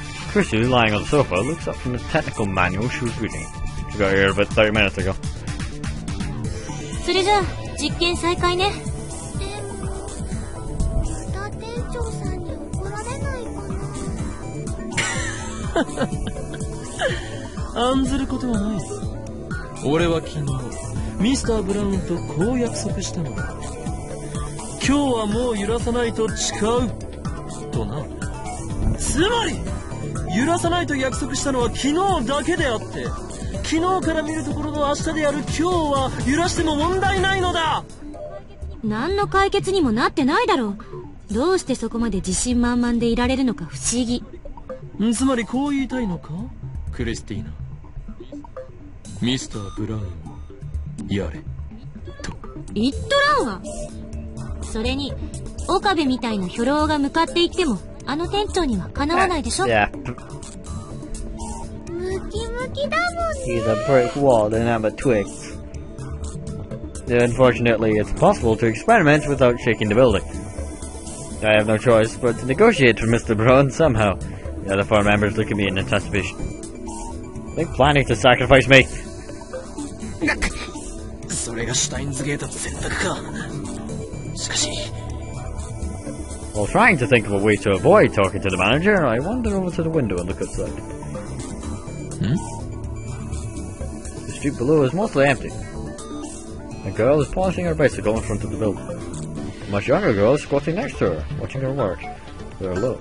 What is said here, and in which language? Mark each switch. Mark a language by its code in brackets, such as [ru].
[en] Christy, lying on the sofa, looks up from the technical manual she was reading. She got here about 30 minutes ago. [ja] それじゃあ実験再開ね。でもまた店長さんに怒られないかな。案ずることはない。俺は昨日ミスターブラウンとこう約束したのだ。今日はもう揺らさないと誓うとな。つまり揺らさないと約束したのは昨日だけであって、昨日から見るところの明日である今日は揺らしても問題ないのだ。何の解決にもなってないだろう。どうしてそこまで自信満々でいられるのか不思議。つまりこう言いたいのか、クリスティーナ。ミスター・ブラウンをやれと言っとらんわ。それに岡部みたいなヒョロ王が向かっていってもあの店長にはかなわないでしょ。 [en] Yeah. [ja] ムキムキだもんね。 [en] He's a brick wall and I'm a twig. Unfortunately, it's possible to experiment without shaking the building. I have no choice but to negotiate for Mr. Brown somehow. The other four members look at me in anticipation. They're planning to sacrifice me. [ja] それがシュタインズゲートの選択か。しかし、 [en] While trying to think of a way to avoid talking to the manager, I wander over to the window and look outside. The street below is mostly empty. A girl is polishing her bicycle in front of the building. A much younger girl is squatting next to her, watching her work. They're alone.